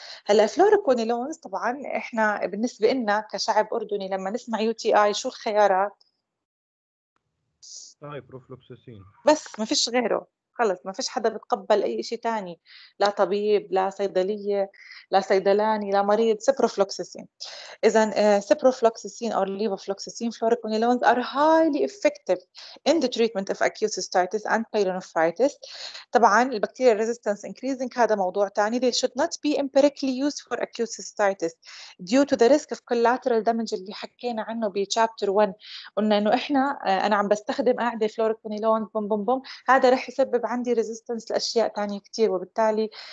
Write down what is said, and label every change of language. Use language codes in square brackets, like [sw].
[ar] هلأ فلوروكوينيلونز طبعا احنا بالنسبة لنا كشعب أردني لما نسمع UTI شو الخيارات؟ سايبروفلوكسيسين بس، ما فيش غيره، خلص ما فيش حدا بتقبل أي شيء تاني، لا طبيب لا صيدلية لا صيدلاني لا مريض، سيبروفلوكسيسين. [en] إذن سيبروفلوكسيسين أو levofloxacin fluoroquinolones are highly effective in the treatment of acute cystitis and pyelonephritis. [ar] طبعاً البكتيريا resistance increasing هذا موضوع تاني. [en] They should not be empirically used for acute cystitis due to the risk of collateral damage [ar] اللي حكينا عنه بشابتر 1، قلنا إنه إحنا أنا عم بستخدم قاعدة فلوروكوينيلونز بوم بوم بوم، هذا رح يسبب عندي resistance لأشياء تانية كتير، وبالتالي